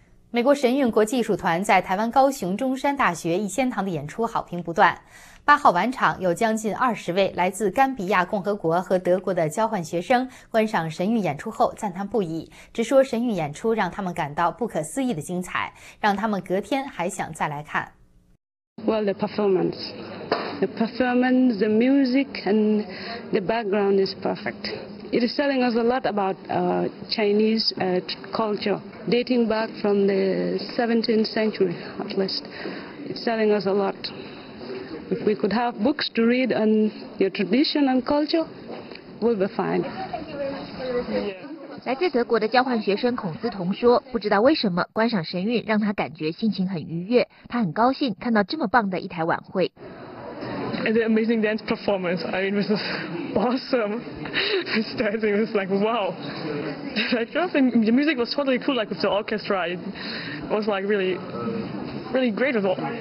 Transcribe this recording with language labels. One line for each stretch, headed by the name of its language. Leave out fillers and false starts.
Chinese: 美国神韵国际艺术团在台湾高雄中山大学逸仙堂的演出好评不断。八号晚场，有将近20位来自甘比亚共和国和德国的交换学生观赏神韵演出后赞叹不已，直说神韵演出让他们感到不可思议的精彩，让他们隔天还想再来看。
English: Well, the performance, the music and the background is perfect. It is telling us a lot about Chinese culture, dating back from the 17th century at least. It's telling us a lot. If we could have books to read on your tradition and culture, we'll be fine.
Chinese: 来自德国的交换学生孔思彤说，不知道为什么观赏神韵让他感觉心情很愉悦，他很高兴看到这么棒的一台晚会。
English: The amazing dance performance, I mean, it was awesome. It's dancing, it was like, wow. The music was totally cool, like with the orchestra. It was like really, really great of all.